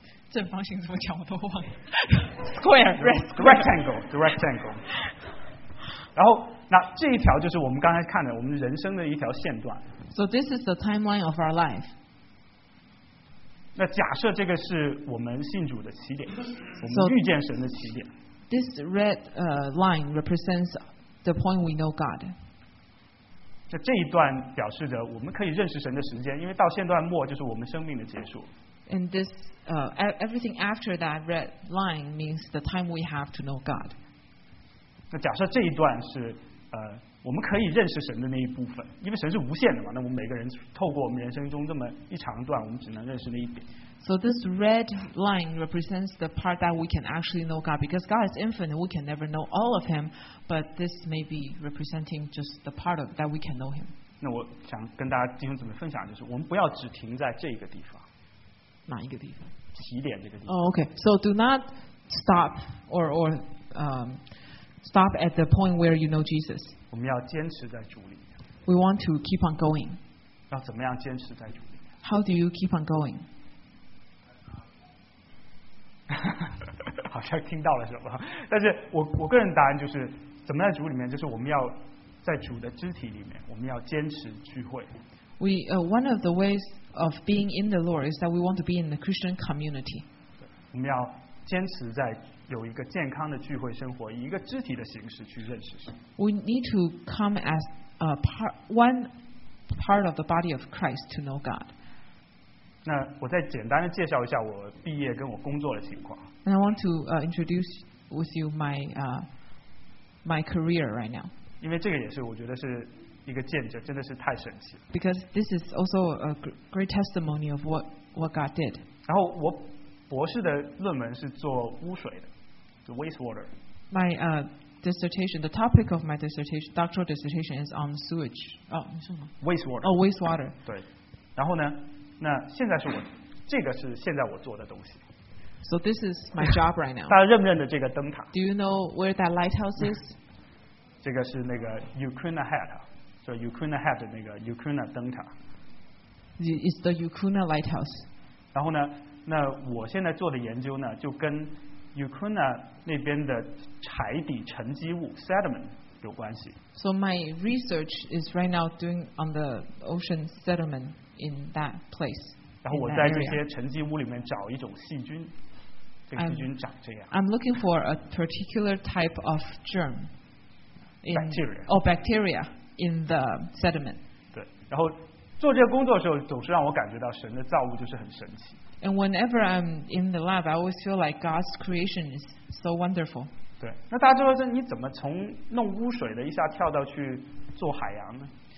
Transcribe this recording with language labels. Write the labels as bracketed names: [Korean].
[Chinese] 正方形怎么讲我都忘了。 [English] Rectangle. [Chinese] 然后那这一条就是我们刚才看的我们人生的一条线段。 [English] So this is the timeline of our life. [Chinese] 那假设这个是我们信主的起点，我们遇见神的起点。 [English] So, this red line represents the point we know God. [Chinese] 那这一段表示着我们可以认识神的时间，因为到线段末就是我们生命的结束。 [English] And this everything after that red line means the time we have to know God. [Chinese] 那假设这一段是我们可以认识神的那一部分，因为神是无限的嘛，那我们每个人透过我们人生中这么一长段，我们只能认识那一点。 [English] So this red line represents the part that we can actually know God, because God is infinite, we can never know all of Him, but this may be representing just the part of that we can know Him. [Chinese] 那我想跟大家弟兄姊妹分享，就是我们不要只停在这个地方。哪一个地方？起点这个地方。 [English] Oh, okay. So do not stop stop at the point where you know Jesus. We want to keep on going. How do you keep on going? [Chinese] 好像听到了什么，但是我个人答案就是怎么在主里面，就是我们要在主的肢体里面，我们要坚持聚会。 [English] One of the ways of being in the Lord is that we want to be in the Christian community. [Chinese] 我们要坚持在有一个健康的聚会生活，以一个肢体的形式去认识神。 [English] We need to come as a part of the body of Christ to know God. [Chinese] 那我再简单的介绍一下我毕业跟我工作的情况。 [English] And I want to introduce with you my career right now. [Chinese] 因为这个也是我觉得是一个见证，真的是太神奇了。 [English] Because this is also a great testimony of what God did. [Chinese] 然后我博士的论文是做污水的。 [English] The wastewater. My dissertation, the topic of my dissertation, doctoral dissertation is on sewage. Oh, [Chinese] 你说什么？ [English] Wastewater. Oh, wastewater. [Chinese] 对。然后呢？那现在是我，这个是现在我做的东西。 [English] So this is my job right now. [Chinese] 大家认不认得这个灯塔？ [English] Do you know where that lighthouse is? [Chinese] 这个是那个 Ukraine ahead, 所以 Ukraine ahead 的那个 Ukraine 灯塔。 [English] It's the Ukraine lighthouse. [Chinese] 然后呢？那我现在做的研究呢，就跟Ukraine 那边的柴底沉积物 sediment 有关系。 [English] So my research is right now doing on the ocean sediment in that place. 然后我在这些沉积物里面找一种细菌，这个细菌长这样。 I'm looking for a particular type of germ. in bacteria. Oh, bacteria in the sediment. [Chinese] 对，然后做这个工作的时候，总是让我感觉到神的造物就是很神奇。 [English] And whenever I'm in the lab, I always feel like God's creation is so wonderful. [Chinese] 对，那大家就说这你怎么从弄污水的一下跳到去做海洋呢？